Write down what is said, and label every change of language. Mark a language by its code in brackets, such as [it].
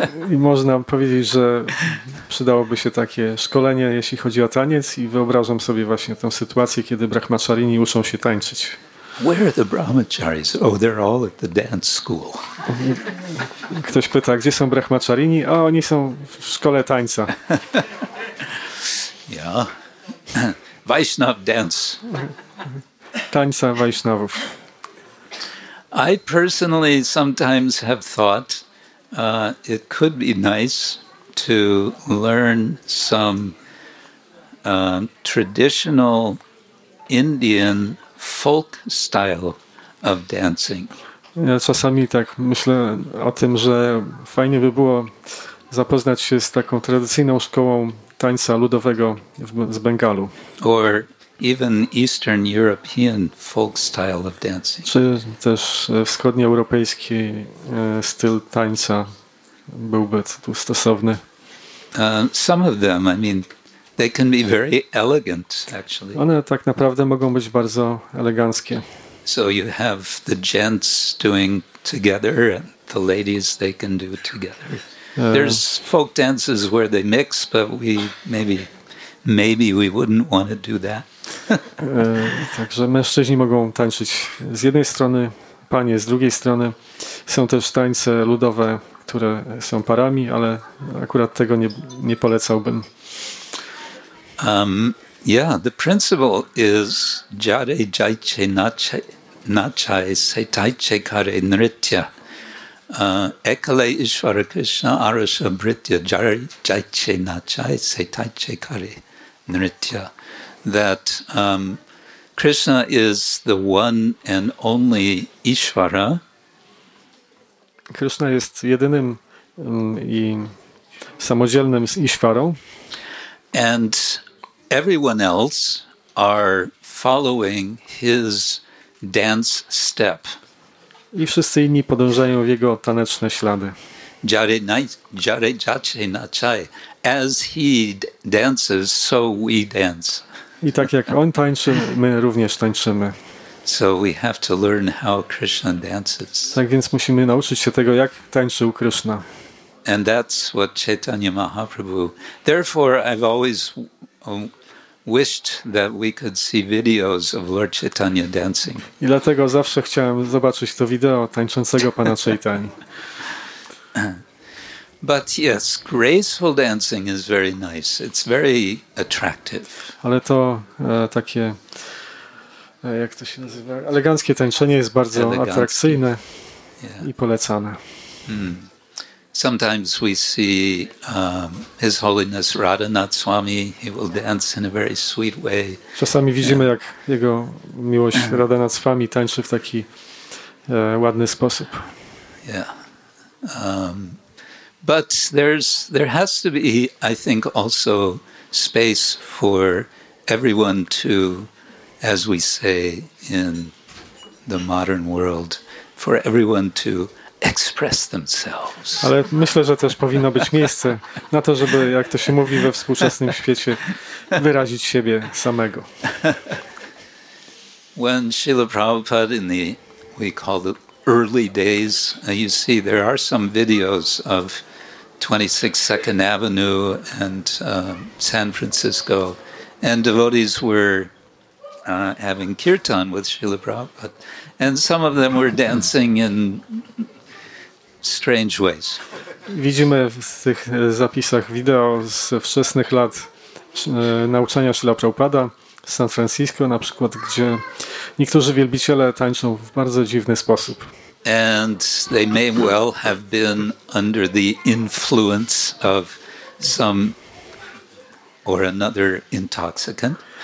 [pl] I można powiedzieć, że przydałoby się takie szkolenie, jeśli chodzi o taniec, i wyobrażam sobie właśnie tę sytuację, kiedy brahmacharini uczą się tańczyć. [en] Where are the brahmacharis? Oh, they're all at the dance school. [pl] Ktoś pyta, gdzie są brahmacharini? O, oni są w szkole tańca. [en] Yeah. Vaishnav dance. [pl] Tańca Vaishnavów. [en] I personally sometimes have thought it could be nice to learn some traditional Indian folk style of dancing. [pl] Ja czasami tak myślę o tym, że fajnie by było zapoznać się z taką tradycyjną szkołą tańca ludowego z Bengalu. [en] Or even Eastern European folk style of dancing. [pl] Czy też wschodnioeuropejski styl tańca byłby tu stosowny? [en] Some of them, I mean, they can be very elegant, actually. [pl] One tak naprawdę mogą być bardzo eleganckie. [en] So you have the gents doing together, and the ladies they can do together. There's folk dances where they mix, but we maybe we wouldn't want to do that. [pl] Także mężczyźni mogą tańczyć z jednej strony, panie z drugiej strony. Są też tańce ludowe, które są parami, ale akurat tego nie polecałbym. [en] Yeah, the principle is [sa] jare jaiche nachai saitaiche kare nritya. Ekale Ishvara Krishna arasa britya jare jaiche nachai saitaiche kare nritya. [en] That Krishna is the one and only Ishvara. [pl] Krishna jest jedynym i samodzielnym z Ishwarą. [en] And everyone else are following his dance step. [pl] I wszyscy inni podążają w jego taneczne ślady. [sa] Jare jache na chai. [en] As he dances, so we dance. [pl] I tak jak on tańczy, my również tańczymy. [en] So we have to learn how Krishna dances. [pl] Tak więc musimy nauczyć się tego, jak tańczył Krishna. [en] And that's what Chaitanya Mahaprabhu. Therefore, I've always wished that we could see videos of Lord Chaitanya dancing. [pl] I dlatego zawsze chciałem zobaczyć to wideo tańczącego pana Chaitanya. [en] But yes, graceful dancing is very nice. It's very attractive. [pl] Ale to takie, jak to się nazywa, eleganckie tańczenie jest bardzo atrakcyjne i polecane. Hmm. [en] Sometimes we see His Holiness Radhanath Swami. He will dance in a very sweet way. [pl] Czasami widzimy, jak jego miłość Radhanath Swami tańczy w taki ładny sposób. [en] Yeah. But there has to be, I think, also space for everyone to, as we say in the modern world, for everyone to express themselves. [pl] Ale myślę, że też powinno być miejsce na to, żeby, jak to się mówi we współczesnym świecie, wyrazić siebie samego. [en] When Srila Prabhupada in the, we call the early days, you see there are some videos of 26 Second Avenue and San Francisco, and devotees were having kirtan with Srila Prabhupada, and some of them were dancing in strange ways. [pl] Widzimy w tych zapisach wideo z wczesnych lat nauczania Srila Prabhupada w San Francisco na przykład, gdzie niektórzy wielbiciele tańczą w bardzo dziwny sposób. [en] And they may well have been under the influence of some or another intoxicant.